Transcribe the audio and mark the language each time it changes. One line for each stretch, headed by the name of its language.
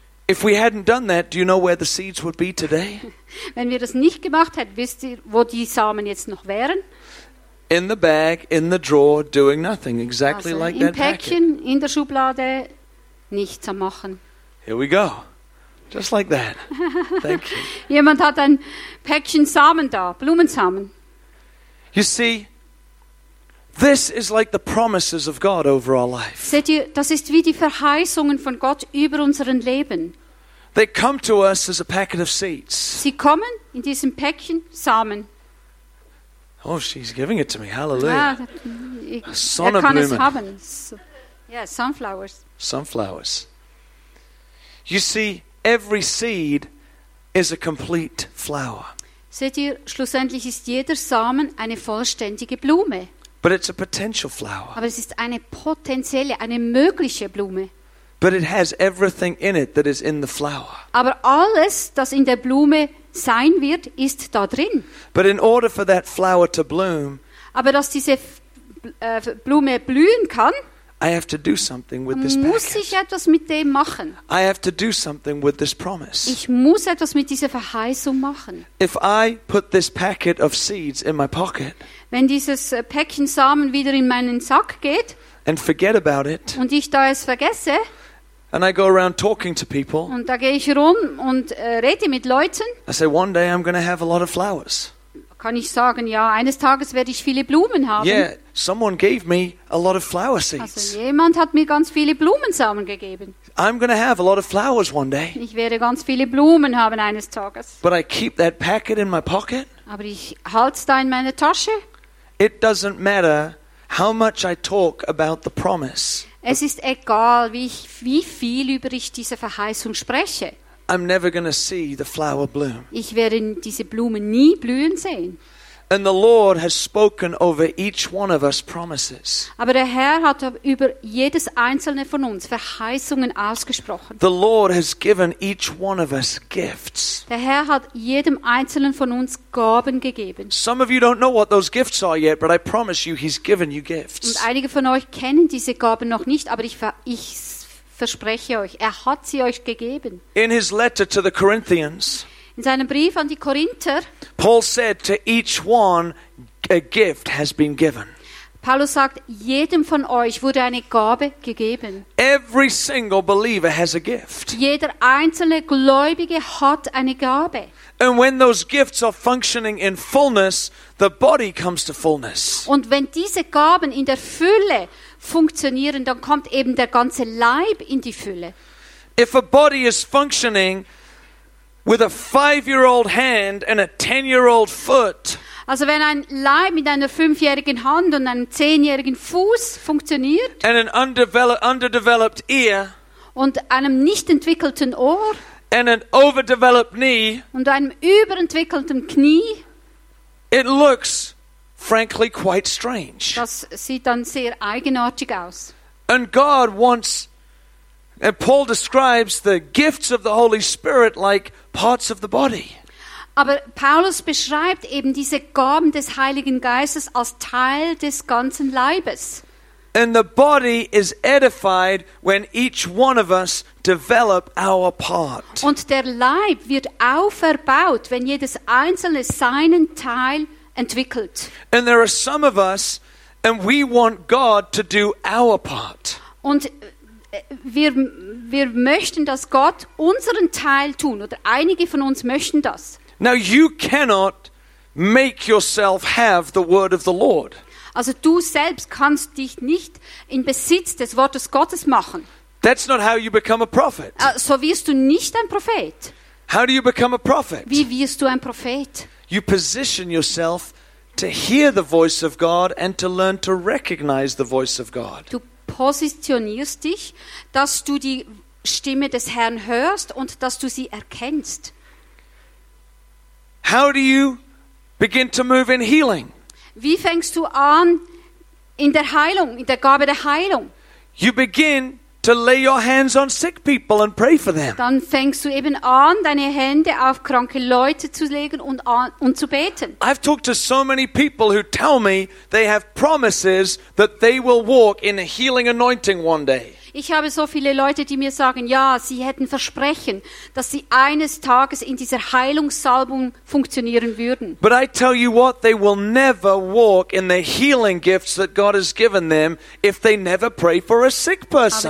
English: If we hadn't done that, do you know where the seeds would be today?
German: Wenn wir das nicht gemacht hätten, wisst ihr, wo die Samen jetzt noch wären?
English: In the bag, in the drawer, doing nothing, exactly like that packet.
German: Im Päckchen, in der Schublade, nichts zu machen.
English: Here we go. Just like that. Thank you.
German: Jemand hat ein Päckchen Samen da, Blumensamen.
English: You see, This is like the promises of God over our life.
German: Seht ihr, das ist wie die Verheißungen von Gott über unseren Leben.
English: They come to us as a packet of seeds.
German: Sie kommen in diesem Päckchen Samen.
English: Oh, she's giving it to me. Hallelujah.
German: Sonnenblumen. Er kann es haben.
English: Yeah, sunflowers. Sunflowers. You see, every seed is a complete flower.
German: Seht ihr, schlussendlich ist jeder Samen eine vollständige Blume.
English: But it's a potential flower.
German: Aber es ist eine potenzielle, eine mögliche Blume.
English: But it has everything in it that is in the flower.
German: Aber alles, das in der Blume sein wird, ist da drin.
English: But in order for that flower to bloom,
German: aber dass diese Blume blühen kann,
English: I have to do something with this
German: muss
English: package.
German: Ich etwas mit dem machen.
English: I have to do something with this promise.
German: Ich muss etwas mit dieser Verheißung machen.
English: If I put this packet of seeds in my pocket,
German: wenn dieses Päckchen Samen wieder in meinen Sack geht,
English: and forget about it,
German: und ich da es vergesse,
English: and I go around talking to people,
German: und da gehe ich rum und rede mit Leuten,
English: I say, one day I'm going to have a lot of flowers.
German: Kann ich sagen, ja, eines Tages werde ich viele Blumen haben.
English: Yeah, someone gave me a lot of flower seeds.
German: Also jemand hat mir ganz viele Blumensamen gegeben.
English: I'm going to have a lot of flowers one day.
German: Ich werde ganz viele Blumen haben eines Tages.
English: But I keep that packet in my pocket.
German: Aber ich halte es da in meiner Tasche.
English: It doesn't matter how much I talk about the promise.
German: Es ist egal, wie viel über ich diese Verheißung spreche.
English: I'm never going to see the flower bloom.
German: Ich werde diese Blume nie blühen sehen.
English: And the Lord has spoken over each one of us promises.
German: Aber der Herr hat über jedes einzelne von uns Verheißungen ausgesprochen.
English: The Lord has given each one of us gifts.
German: Der Herr hat jedem einzelnen von uns Gaben gegeben.
English: Some of you don't know what those gifts are yet, but I promise you he's given you gifts.
German: Und einige von euch kennen diese Gaben noch nicht, aber ich verspreche euch, er hat sie euch gegeben.
English: In his letter to the Corinthians,
German: in seinem Brief an die Korinther,
English: Paul said to each one a gift has been given.
German: Paulus sagt, jedem von euch wurde eine Gabe gegeben.
English: Every single believer has a gift.
German: Jeder einzelne Gläubige hat eine Gabe.
English: And when those gifts are functioning in fullness, the body comes to fullness.
German: Und wenn diese Gaben in der Fülle funktionieren, dann kommt eben der ganze Leib in die Fülle.
English: If a body is functioning with a 5-year-old hand and a 10-year-old foot,
German: also wenn ein Leib mit einer 5-jährigen Hand und einem 10-jährigen Fuß funktioniert,
English: and an underdeveloped ear,
German: und einem nicht entwickelten Ohr,
English: and an overdeveloped knee,
German: und einem überentwickelten Knie,
English: it looks frankly quite strange.
German: Das sieht dann sehr eigenartig aus.
English: And God wants, and Paul describes the gifts of the Holy Spirit like parts of the body.
German: Aber Paulus beschreibt eben diese Gaben des Heiligen Geistes als Teil des ganzen Leibes.
English: And the body is edified when each one of us develop our part.
German: Und der Leib wird auferbaut, wenn jedes einzelne seinen Teil entwickelt.
English: And there are some of us and we want God to do our part.
German: Und wir möchten, dass Gott unseren Teil tun, oder einige von uns möchten das.
English: Now you cannot make yourself have the word of the Lord.
German: Also du selbst kannst dich nicht in Besitz des Wortes Gottes machen.
English: That's not how you become a prophet.
German: So wirst du nicht ein Prophet.
English: How do you become a prophet?
German: Wie wirst du ein Prophet?
English: You position yourself to hear the voice of God and to learn to recognize the voice of God.
German: Du positionierst dich, dass du die Stimme des Herrn hörst und dass du sie erkennst.
English: How do you begin to move in healing?
German: Wie fängst du an in der Heilung, in der Gabe der Heilung?
English: You begin to lay your hands on sick people and pray for them.
German: Dann fängst du eben an, deine Hände auf kranke Leute zu legen und zu beten.
English: I've talked to so many people who tell me they have promises that they will walk in a healing anointing one day.
German: Ich habe so viele Leute, die mir sagen, ja, sie hätten Versprechen, dass sie eines Tages in dieser Heilungssalbung funktionieren würden.
English: But I tell you what, they will never walk in the healing gifts that God has given them if they never pray for a sick person.